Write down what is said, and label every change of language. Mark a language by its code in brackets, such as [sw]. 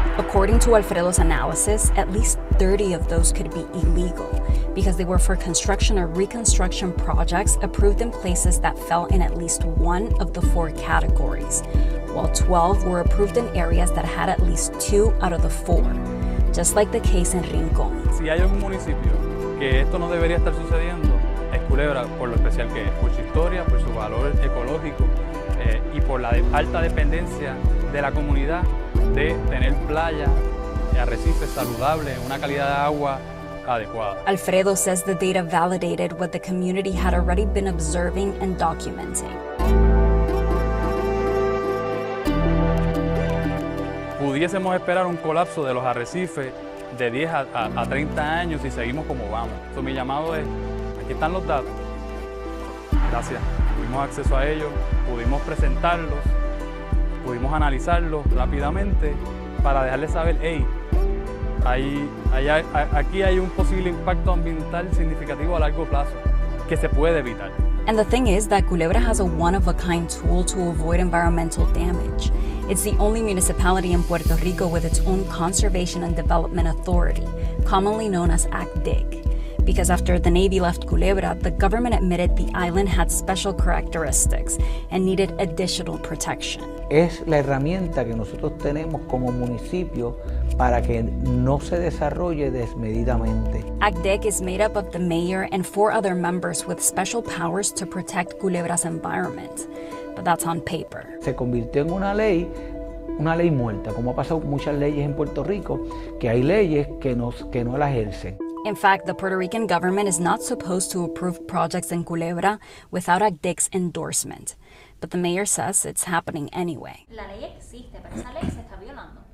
[en] According to Alfredo's analysis, at least 30 of those could be illegal because they were for construction or reconstruction projects approved in places that fell in at least one of the four categories, while 12 were approved in areas that had at least two out of the four. Just like the case in Rincón. [es] Si hay un municipio que esto no debería estar sucediendo, es Culebra, por lo especial que es, por su historia, por su valor ecológico y por la alta dependencia de la comunidad de tener playa y arrecifes saludables, una calidad de agua adecuada. [en] Alfredo says the data validated what the community had already been observing and documenting. [es] Pudiésemos esperar un colapso de los arrecifes de 10 a 30 años si seguimos como vamos. Entonces, mi llamado es, aquí están los datos. Gracias. Tuvimos acceso a ellos, pudimos presentarlos, pudimos analizarlos rápidamente para dejarles saber, hey, aquí hay un posible impacto ambiental significativo a largo plazo que se puede evitar. [en] And the thing is that Culebra has a one-of-a-kind tool to avoid environmental damage. It's the only municipality in Puerto Rico with its own Conservation and Development Authority, commonly known as ACDIG. Because after the Navy left Culebra, the government admitted the island had special characteristics and needed additional protection. [es] Es la herramienta que nosotros tenemos como municipio para que no se desarrolle desmedidamente. [en] ACDIG is made up of the mayor and four other members with special powers to protect Culebra's environment. But that's on paper. [es] Se convirtió en una ley muerta, como ha pasado muchas leyes en Puerto Rico, que hay leyes que no las ejercen. [en] In fact, the Puerto Rican government is not supposed to approve projects in Culebra without ACDIG's endorsement. But the mayor says it's happening anyway. [es] La ley existe, pero esa ley se está violando.